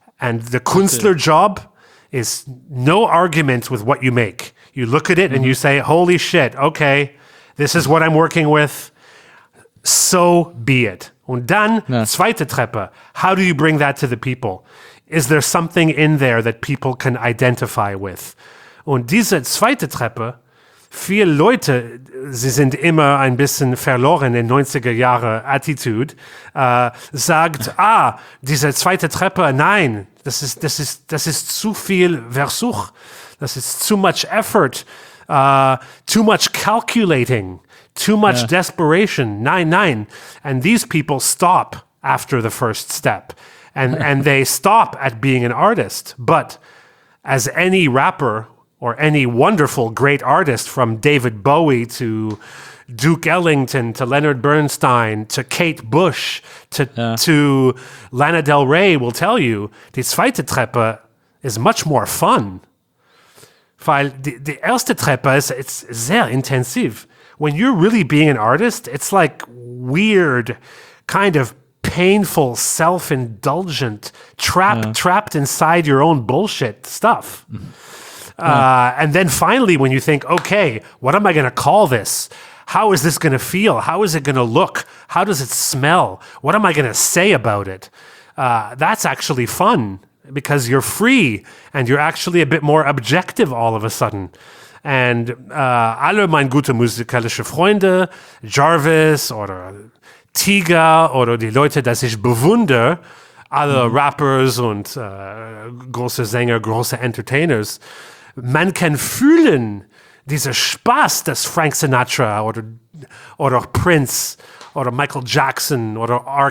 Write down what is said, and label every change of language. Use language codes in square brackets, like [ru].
[en] And the Künstler job is no argument with what you make. You look at it and you say, holy shit, okay, this is what I'm working with. So be it. [de] Und dann, zweite Treppe, [en] how do you bring that to the people? Is there something in there that people can identify with? [de] Und diese zweite Treppe, viele Leute, sie sind immer ein bisschen verloren in 90er Jahre Attitude, sagt, diese zweite Treppe, nein, das ist zu viel Versuch, das ist [en] too much effort, too much calculating, too much desperation, [de] nein. [en] And these people stop after the first step. And they stop at being an artist. But as any rapper or any wonderful great artist from David Bowie to Duke Ellington to Leonard Bernstein to Kate Bush to Lana Del Rey will tell you, [de] die zweite Treppe [en] is much more fun. [de] Weil die erste Treppe [en] it's [de] sehr intensiv. [en] When you're really being an artist, it's like weird kind of painful, self-indulgent, trapped inside your own bullshit stuff. And then finally, when you think, okay, what am I going to call this? How is this going to feel? How is it going to look? How does it smell? What am I going to say about it? That's actually fun because you're free and you're actually a bit more objective all of a sudden. [de] And alle mein gute musikalische Freunde, Jarvis oder Tiga oder die Leute, dass ich bewundere, alle Rappers und große Sänger, große Entertainers, man kann fühlen diesen Spaß, dass Frank Sinatra oder Prince oder Michael Jackson oder R.